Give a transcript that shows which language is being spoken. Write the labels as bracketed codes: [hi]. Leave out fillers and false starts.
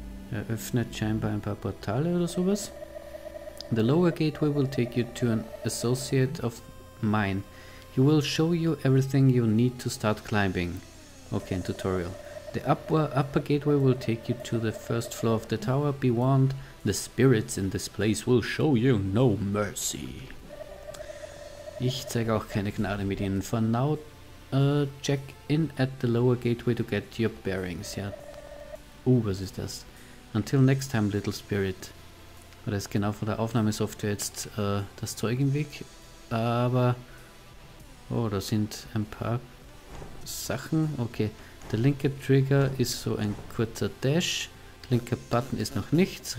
[de] Er öffnet scheinbar ein paar Portale oder sowas. [en] The lower gateway will take you to an associate of mine. He will show you everything you need to start climbing. Okay, [de] ein Tutorial. [en] The upper gateway will take you to the first floor of the tower. Be warned, the spirits in this place will show you no mercy. [de] Ich zeige auch keine Gnade mit ihnen. [en] For now, check in at the lower gateway to get your bearings. [de] Ja. Was ist das? [en] Until next time, little spirit. [de] Da ist genau vor der Aufnahmesoftware jetzt das Zeug im Weg. Aber, oh, da sind ein paar Sachen. Okay. Der linke Trigger ist so ein kurzer Dash. Linker Button ist noch nichts.